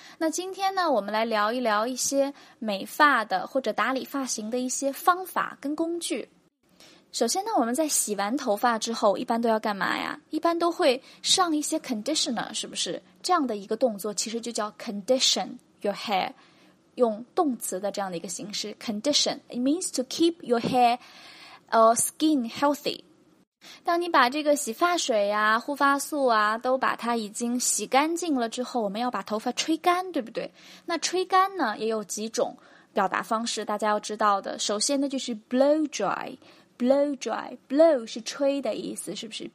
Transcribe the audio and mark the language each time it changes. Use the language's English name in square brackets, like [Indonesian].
[Chinese] 那今天呢，我们来聊一聊一些美发的或者打理发型的一些方法跟工具。首先呢，我们在洗完头发之后，一般都要干嘛呀？一般都会上一些 conditioner， 是不是？这样的一个动作其实就叫 [English] condition your hair， [Chinese] 用动词的这样的一个形式 condition。 [English] It means to keep your hair or skin healthy。 [Chinese] 当你把这个洗发水啊护发素啊都把它已经洗干净了之后，我们要把头发吹干，对不对？那吹干呢也有几种表达方式，大家要知道的。首先呢就是 blow dry， blow dry， blow 是吹的意思，是不是？